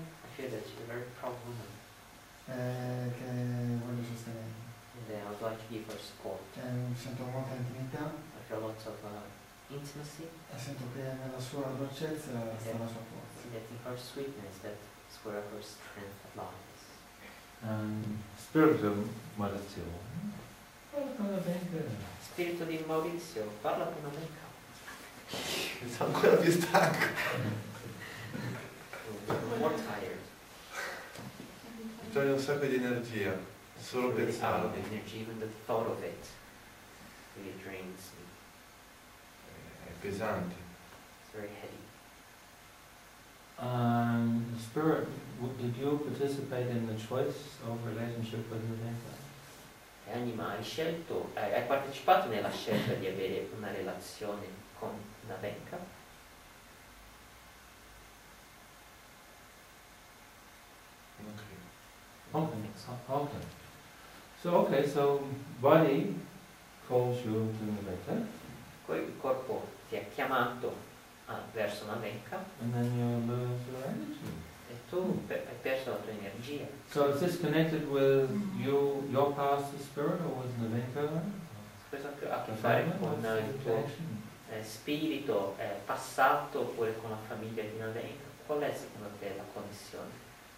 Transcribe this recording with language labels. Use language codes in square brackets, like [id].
[en] I feel that she's a very proud woman. [it] Che voglio sostenere. [en] And I would like to give her support. [it] Sento molta intimità. [en] I feel lots of intimacy. [it] E sento che nella sua dolcezza sta la sua forza. [en] That in her sweetness, that's where her strength lies. [it] Spirito Maurizio. Parla con la Benca. Spirito di Maurizio, parla con la Benca. Sono ancora più stanco. [en] More tired. [it] Mi toglie un sacco di energia, solo pensarlo. [en] Energia, even the thought of it, really drains me. [it] Pesante. [en] It's very heavy. Spirit, did you participate in the choice of relationship with Navenka? [it] Anima, hai scelto, hai partecipato nella scelta di avere una relazione con Navenka? [en] Okay. So body calls you to Navenka. [it] Poi il corpo ti ha chiamato verso una Navenka. [en] And then you lose your energy. [it] E tu hai perso la tua energia. [en] So is this connected with you, your past spirit, or with Navenka? [it] Questo ha a che fare con il tuo spirito passato oppure con la famiglia di Navenka. Qual è secondo te la connessione?